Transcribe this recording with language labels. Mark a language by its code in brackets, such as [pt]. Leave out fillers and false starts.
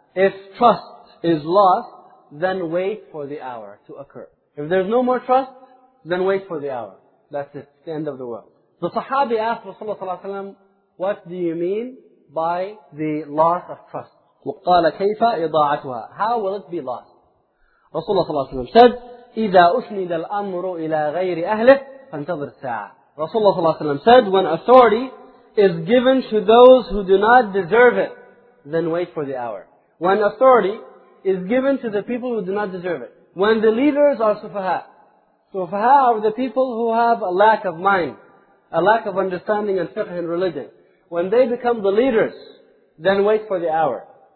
[en] If trust is lost, then wait for the hour to occur. If there's no more trust, then wait for the hour. That's it. The end of the world. The Sahabi asked Rasulullah sallallahu alayhi wa sallam, what do you mean by the loss of trust? [ar] وَقَالَ كَيْفَ إِضَاعَتُهَا. [en] How will it be lost? Rasulullah sallallahu alayhi wa sallam said, [ar] إِذَا أُسْنِدَ الْأَمْرُ إِلَى غَيْرِ أَهْلِهِ فَانْتَظْرِ السَّاعَةِ. [en] Rasulullah sallallahu alayhi wa sallam said, when authority is given to those who do not deserve it, then wait for the hour. When authority is given to the people who do not deserve it, when the leaders are sufaha, sufaha are the people who have a lack of mind, a lack of understanding and fiqh and religion, when they become the leaders, then wait for the hour.